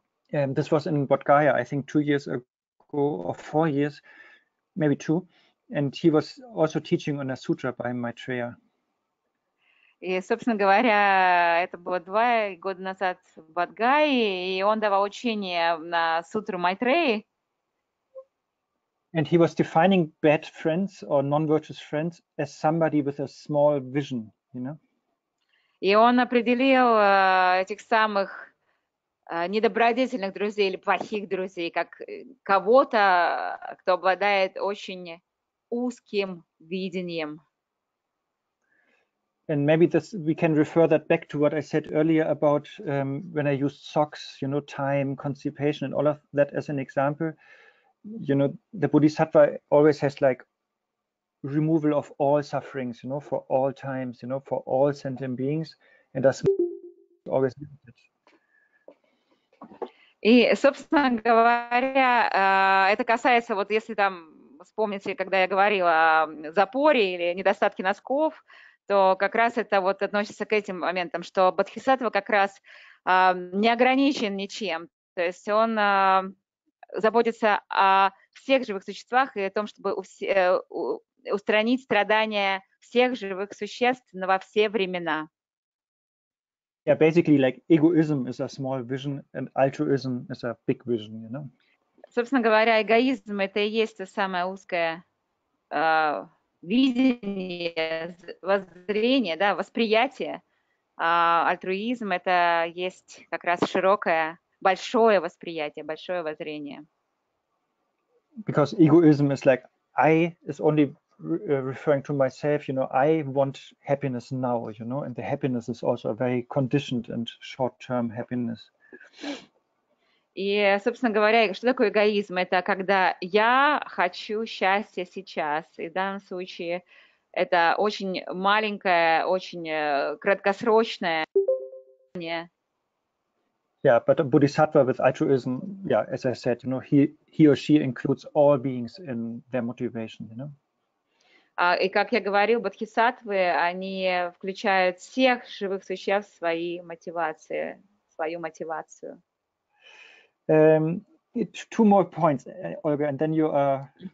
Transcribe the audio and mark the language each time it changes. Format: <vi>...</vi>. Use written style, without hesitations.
<en>This was in Bodh Gaya, I think 2 years ago, or 4 years, maybe two, and he was also teaching on a sutra by Maitreya.</en> <ru>И, собственно говоря, это было 2 года назад в Бодх Гае, и он давал учение на сутру Майтреи.</ru> <en>And he was defining bad friends or non-virtuous friends as somebody with a small vision, you know?</en> <ru>И он определил этих самых недобродетельных друзей или плохих друзей как кого-то, кто обладает очень узким видением.</ru> <en>And maybe this we can refer that back to what I said earlier about when I used socks, you know, time, constipation, and all of that as an example. You know, the Bodhisattva always has like removal of all sufferings, you know, for all times, you know, for all sentient beings, and that's always.</en> <ru>И, собственно говоря, это касается вот если там вспомните, когда я говорила о запоре или недостатке носков. То как раз это вот относится к этим моментам, что Бодхисаттва как раз не ограничен ничем. То есть он заботится о всех живых существах и о том, чтобы устранить страдания всех живых существ во все времена.</ru> <en>Yeah, basically, like egoism is a small vision and altruism is a big vision, you know?</en> <ru>Собственно говоря, эгоизм это и есть самое узкое. Видение, воззрение, да, восприятие, альтруизм – это есть как раз широкое, большое восприятие, большое воззрение.</ru> <en>Because egoism is like I is only referring to myself, you know. I want happiness now, you know, and the happiness is also a very conditioned and short-term happiness.</en> <ru>И, собственно говоря, что такое эгоизм? Это когда я хочу счастья сейчас. И в данном случае это очень маленькое, очень краткосрочное.</ru> <en>Yeah, but a bodhisattva with altruism, yeah, as I said, you know, he or she includes all beings in their motivation, you know.</en> <ru>И как я говорил, бодхисаттвы, они включают всех живых существ в свои мотивации, в свою мотивацию.</ru> <en>Two more points, Olga, and then you are</en>